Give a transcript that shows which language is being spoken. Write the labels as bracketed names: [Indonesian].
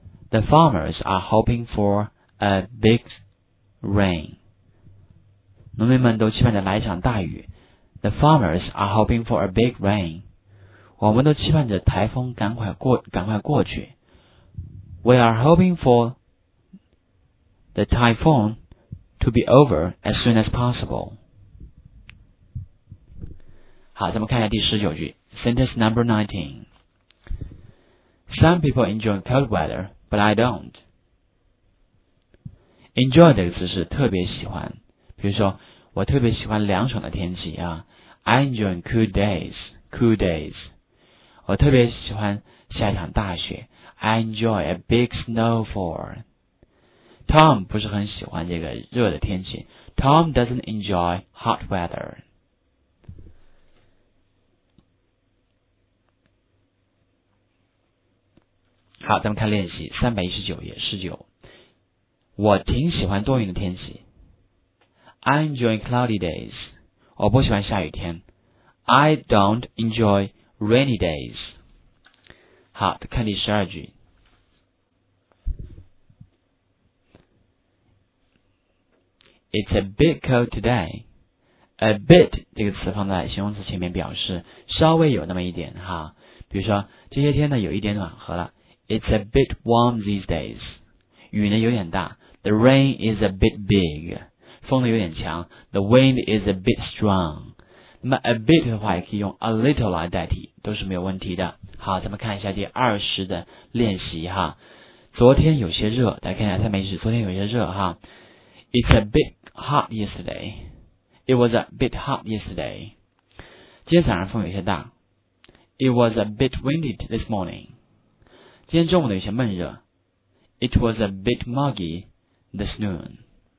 [English] The farmers are hoping for a big rain. [Chinese] 农民们都期盼着来一场大雨。 [English] The farmers are hoping for a big rain. [Chinese] 我们都期盼着台风赶快过去。 [English] We are hoping for... The typhoon to be over as soon as possible. [Chinese] 好，咱们看一下第19句 , [English] sentence number 19. Some people enjoy cold weather, but I don't. [Chinese] Enjoy 这个词是特别喜欢，比如说我特别喜欢凉爽的天气啊 , [English] I enjoy cool days. [Chinese] 我特别喜欢下一场大雪 , [English] I enjoy a big snowfall. [Chinese] Tom 不是很喜欢这个热的天气。 [English] Tom doesn't enjoy hot weather. [Chinese] 好，咱们看练习319页19。我挺喜欢多云的天气。 [English] I enjoy cloudy days. [Chinese] 我不喜欢下雨天。 [English] I don't enjoy rainy days. [Chinese] 好，看第12句。 [English] It's a bit cold today. [Chinese] A bit 这个词放在形容词前面表示稍微有那么一点哈。比如说这些天呢有一点暖和了。 [English] It's a bit warm these days. [Chinese] 雨呢有点大。 [English] The rain is a bit big. [Chinese] 风呢有点强。 [English] The wind is a bit strong. [Chinese] 那么 a bit 的话也可以用 a little 来代替，都是没有问题的。好，咱们看一下第20的练习哈。昨天有些热，大家看一下它没事，昨天有些热哈。 [English] It's a bit hot yesterday. It was a bit hot yesterday. [Chinese] 今天早上风有些大。 [English] It was a bit windy this morning. [Chinese] 今天中午的有些闷热。 [English] It was a bit muggy this noon.